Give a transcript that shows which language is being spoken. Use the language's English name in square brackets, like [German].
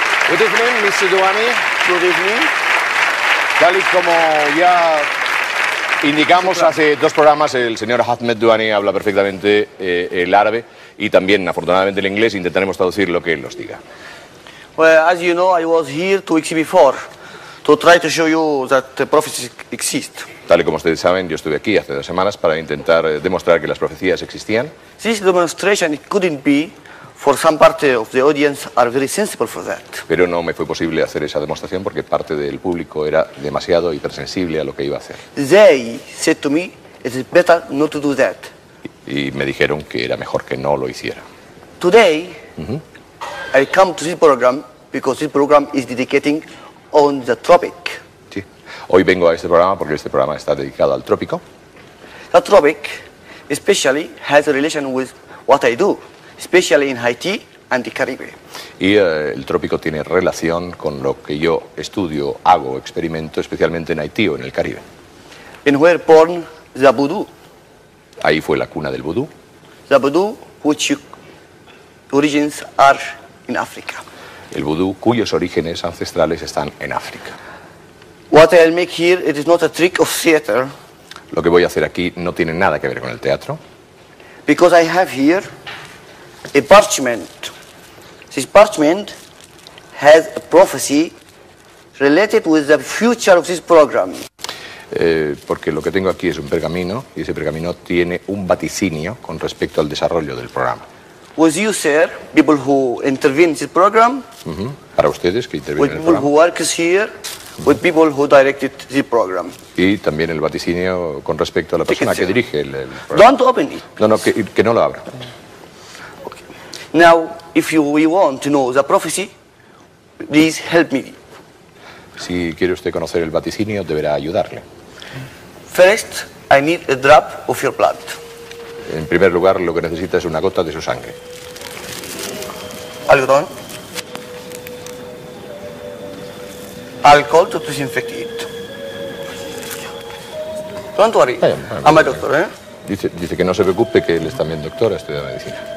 [English] Good evening, Mr. Duane. Good evening. [Spanish] Tal y como ya indicamos hace dos programas, el señor Ahmed Duane habla perfectamente el árabe y también, afortunadamente, el inglés. Intentaremos traducir lo que él nos diga. [English] Well, as you know, I was here 2 weeks before to try to show you that the prophecies exist. [Spanish] Tal y como ustedes saben, yo estuve aquí hace dos semanas para intentar demostrar que las profecías existían. [English] This demonstration couldn't be. For some part of the audience are very sensible for that. [Spanish] Pero no me fue posible hacer esa demostración porque parte del público era demasiado hipersensible a lo que iba a hacer. [English] They said to me, it's better not to do that. [Spanish] Y me dijeron que era mejor que no lo hiciera. [English] Today, I come to this program because this program is dedicating on the tropic. [Spanish] Sí. Hoy vengo a este programa porque este programa está dedicado al trópico. [English] The tropic, especially, has a relation with what I do. Especially in Haití and the Caribbean. [Spanish] Y el trópico tiene relación con lo que yo estudio, hago, experimento, especialmente en Haití o en el Caribe. [English] In where born the vudú. [Spanish] Ahí fue la cuna del vudú. [English] The vudú, which origins are in Africa. [Spanish] El vudú, cuyos orígenes ancestrales están en África. [English] What I'll make here, it is not a trick of theater. [Spanish] Lo que voy a hacer aquí no tiene nada que ver con el teatro. [English] Because I have here. A parchment. This parchment has a prophecy related with the future of this program. [Spanish] Porque lo que tengo aquí es un pergamino y ese pergamino tiene un vaticinio con respecto al desarrollo del programa. [English] With you, sir, people who intervene in this program. [Spanish] Para ustedes que intervienen. en el programa. [English] Who work here. With people who directed the program. [Spanish] Y también el vaticinio con respecto a la persona que dirige el programa. [English] Don't open it. Please. [Spanish] No, que no lo abra. [English] Now, if you want to know the prophecy, please help me. [Spanish] Si quiere usted conocer el vaticinio, deberá ayudarle. [English] First, I need a drop of your blood. [Spanish] En primer lugar, lo que necesita es una gota de su sangre. Algodón. [English] Alcohol to disinfect it. Don't worry. I'm a doctor, ¿eh? [Spanish] Dice que no se preocupe, que él es también doctor, ha estudiado medicina.